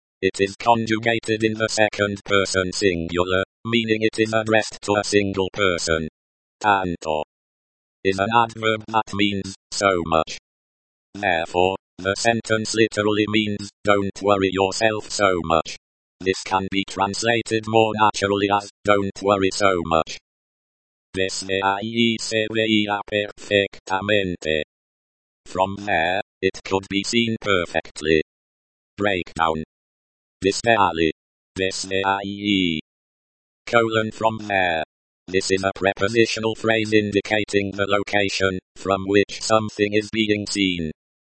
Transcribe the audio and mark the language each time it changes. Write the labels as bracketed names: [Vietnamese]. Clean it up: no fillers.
[English] It is conjugated in the second person singular, meaning it is addressed to a single person. Tanto is an adverb that means so much. Therefore, the sentence literally means don't worry yourself so much. This can be translated more naturally as don't worry so much. [Spanish] Desde ahí se veía perfectamente. [English] From there, it could be seen perfectly. [Spanish] Breakdown. Desde ahí. Desde ahí. [English] Colon from there. This is a prepositional phrase indicating the location from which something is being seen.